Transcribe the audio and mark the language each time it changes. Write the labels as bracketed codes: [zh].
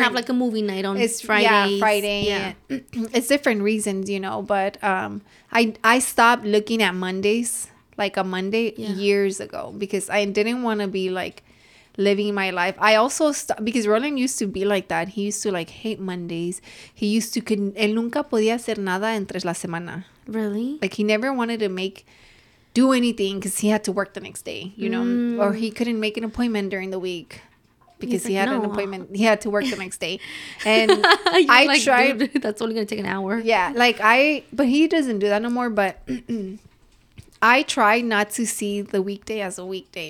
[en] Y'all can have, like, a movie night on Friday. Yeah, Friday. Yeah. It's different reasons, you know, but I stopped looking at Mondays, like a Monday, years ago, because I didn't want to be, like, living my life. I also stopped, because Roland used to be like that. He used to, like, hate Mondays. He used to, [es] él nunca podía hacer nada entre la semana. [en] Really? Like, he never wanted to do anything because he had to work the next day, you know, or he couldn't make an appointment during the week because he had an appointment. He had to work the next day. And I tried. Dude, that's only going to take an hour. Yeah. Like but he doesn't do that no more. But I try not to see the weekday as a weekday.